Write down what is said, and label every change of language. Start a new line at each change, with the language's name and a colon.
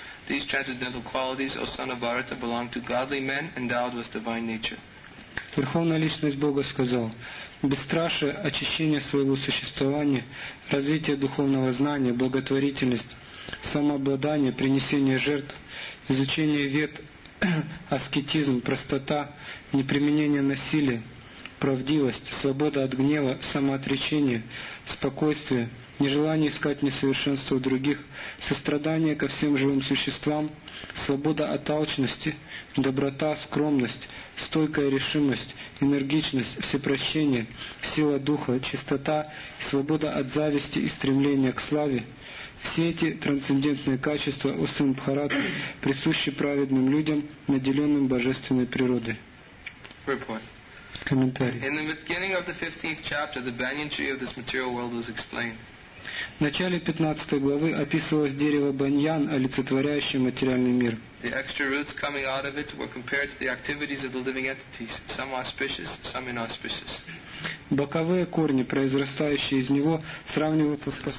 English: These transcendental qualities, O son of Bharata, belong to godly men endowed with divine nature.
Russian: Верховная личность Бога сказал: бесстрашие, очищение своего существования, развитие духовного знания, благотворительность, самообладание, принесение жертв, изучение вед, аскетизм, простота, неприменение насилия, правдивость, свобода от гнева, самоотречение, спокойствие, нежелание искать несовершенство у других, сострадание ко всем живым существам, свобода от алчности, доброта, скромность, стойкая решимость, энергичность, всепрощение, сила духа, чистота, свобода от зависти и стремления к славе. Все эти трансцендентные качества у сын Бхараты присущи праведным людям, наделенным божественной природой. Комментарий.
English: In the beginning of the 15th chapter, the banyan tree of this material world was explained.
Russian: В начале 15 главы описывалось дерево баньян, олицетворяющее материальный мир.
English: The extra roots coming out of it were compared to the activities of the living entities, some auspicious, some inauspicious.
Russian: Боковые корни, произрастающие из него, сравниваются с...